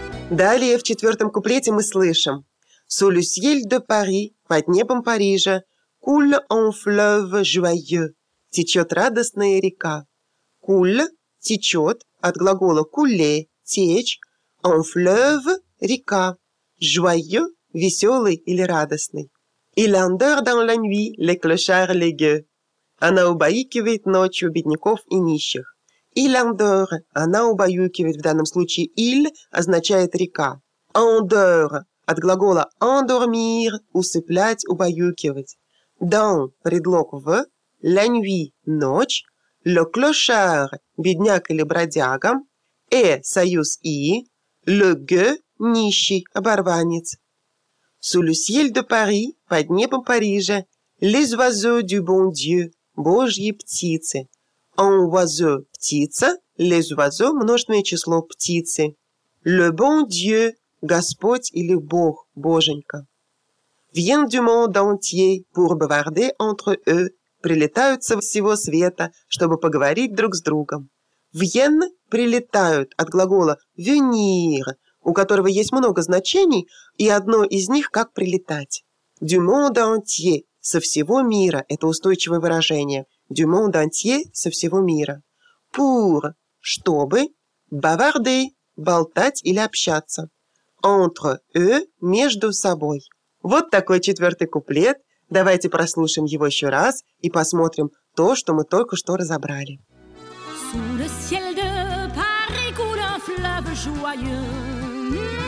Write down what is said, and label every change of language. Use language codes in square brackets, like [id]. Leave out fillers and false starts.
[ru] Далее в четвертом куплете мы слышим: [fr] «Sous le ciel de Paris» [ru] – «под небом Парижа», [fr] «coule un fleuve joyeux» [ru] – «течет радостная река». [fr] «Coule» [ru] – «течет» от глагола [fr] «couler» [ru] – «течь», [fr] «un fleuve» [ru] – «река», [fr] «joyeux» [ru] – «веселый» или «радостный». [fr] «Il endort dans la nuit les clochards légueux» – [ru] «она убаюкивает ночью бедняков и нищих». [fr] «Il endort» [ru] – «она убаюкивает», в данном случае [fr] «il» [ru] означает «река». [fr] «Endort» [ru] – от глагола [fr] «endormir» [ru] – «усыплять», «убаюкивать». [fr] «Dans» [ru] – предлог «в», [fr] «la nuit» [ru] – «ночь», [fr] «le clochard» [ru] – «бедняк» или «бродяга», [fr] «et» [ru] – «союз и», [fr] «le gueux» [ru] – «нищий», «оборванец». [fr] «Sous le ciel de Paris» – [ru] «под небом Парижа», [fr] «les oiseaux du bon Dieu» – [ru] «божьи птицы». [fr] «En oiseau» [ru] – «птица», [fr] «les oiseaux» [ru] – множественное число «птицы». [fr] «Le bon Dieu» [ru] – «Господь» или «Бог», «Боженька». [fr] «Viens du monde entier pour bavarder entre eux» – [ru] «прилетают со всего света, чтобы поговорить друг с другом». [fr] «Viens» [ru] – «прилетают» от глагола [fr] «venir», [ru] у которого есть много значений, и одно из них – «как прилетать». [fr] «Du monde entier» [ru] – «со всего мира» – это устойчивое выражение. [fr] «Du monde entier» [ru] – «со всего мира». [fr] «Pour» [ru] – «чтобы», [fr] «bavarder» [ru] – «болтать» или «общаться». [fr] «Entre eux» [ru] – «между собой». Вот такой четвертый куплет. Давайте прослушаем его еще раз и посмотрим то, что мы только что разобрали. [fr] «Sous le ciel de Paris coule un fleuve joyeux.